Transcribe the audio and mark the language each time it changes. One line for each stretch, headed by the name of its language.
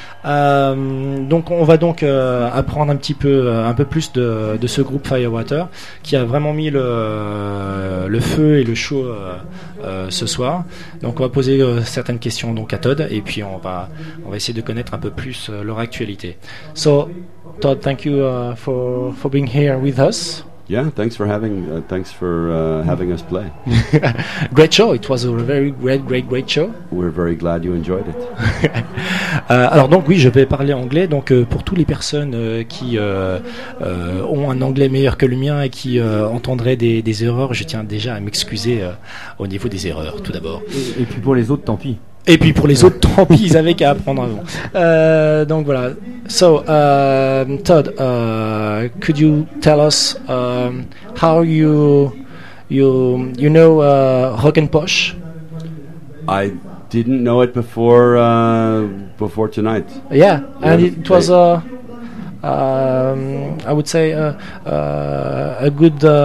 French: Donc on va donc apprendre un petit peu, un peu plus de ce groupe Firewater qui a vraiment mis le feu et le show ce soir. Donc on va poser certaines questions donc à Todd et puis on va essayer de connaître un peu plus leur actualité.
English: So Todd, thank you for being here with us. Yeah, thanks for having us play. Great show. It was a very great show. We're very glad you enjoyed it.
French: Alors donc oui, je vais parler anglais. Donc pour toutes les personnes qui ont un anglais meilleur que le mien et qui entendraient des erreurs, je tiens déjà à m'excuser au niveau des erreurs tout d'abord. Et puis pour les autres, tant pis. Et puis pour les autres, tant pis, ils avaient qu'à apprendre avant. Donc voilà.
English: So, Todd, could you tell us how you know Rock'n Poche? I didn't know it before tonight. Yeah, and it was I would say a good